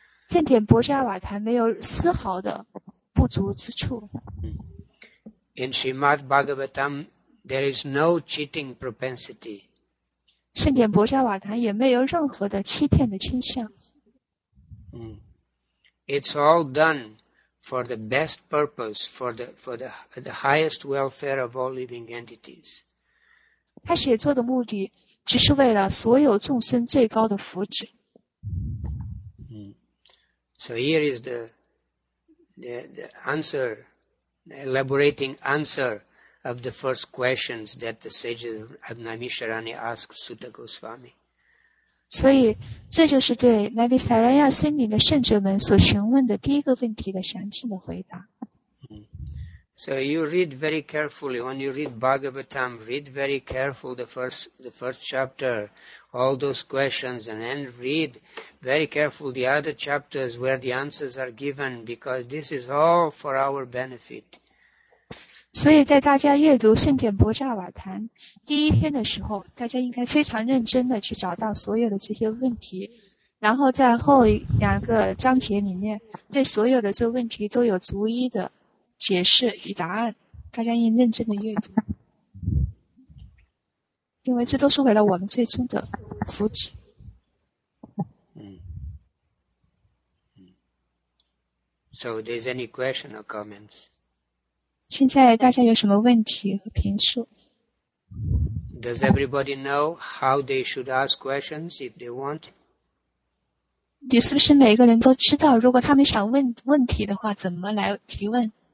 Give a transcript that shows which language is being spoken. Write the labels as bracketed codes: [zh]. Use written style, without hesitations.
[zh] 圣典博伽瓦坛没有丝毫的不足之处。 [en] In Srimad Bhagavatam, there is no cheating propensity. [zh] 圣典博伽瓦坛也没有任何的欺骗的倾向。 [en] It's all done. For the best purpose, for the highest welfare of all living entities. [zh] 他写作的目的只是为了所有众生最高的福祉。 [en] So here is the answer, the elaborating answer of the first questions that the sages of Naimisharanya asked Sutta Goswami. [zh] 所以这就是对南比萨拉亚森林的圣者们所询问的第一个问题的详细的回答。 [en] So you read very carefully, when you read Bhagavatam, read very carefully the first chapter, all those questions, and then read very carefully the other chapters where the answers are given, because this is all for our benefit. [zh] 所以在大家阅读圣典博伽瓦坛第一天的时候，大家应该非常认真地去找到所有的这些问题，然后在后两个章节里面对所有的这问题都有逐一的解释与答案，大家应认真地阅读，因为这都是为了我们最终的福祉。 [en] So there's any question or comments? [zh] 现在大家有什么问题和评述？ [en] Does everybody know how they should ask questions if they want? [zh] 你是不是每个人都知道，如果他们想问问题的话，怎么来提问？